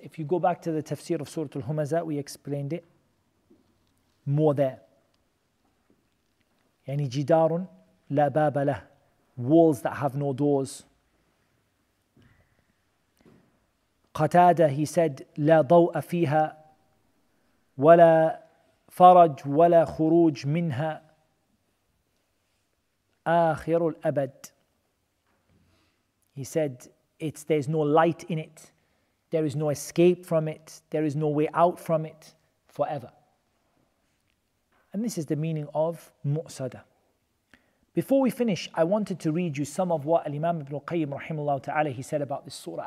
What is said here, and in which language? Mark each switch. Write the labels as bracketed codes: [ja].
[en] If you go back to the tafsir of Surah Al-Humazah, we explained it more there. [ar] Yani jidarun la baba lah. [en] Walls that have no doors. [ar] Qatada, [en] he said, [ar] لا ضوء فيها. ولا فرج ولا خروج منها آخر الأبد. [en] He said, "It's there's no light in it. There is no escape from it. There is no way out from it forever." And this is the meaning of Mu'sada. Before we finish, I wanted to read you some of what Imam Ibn Qayyim rahimahullah ta'ala, he said about this surah.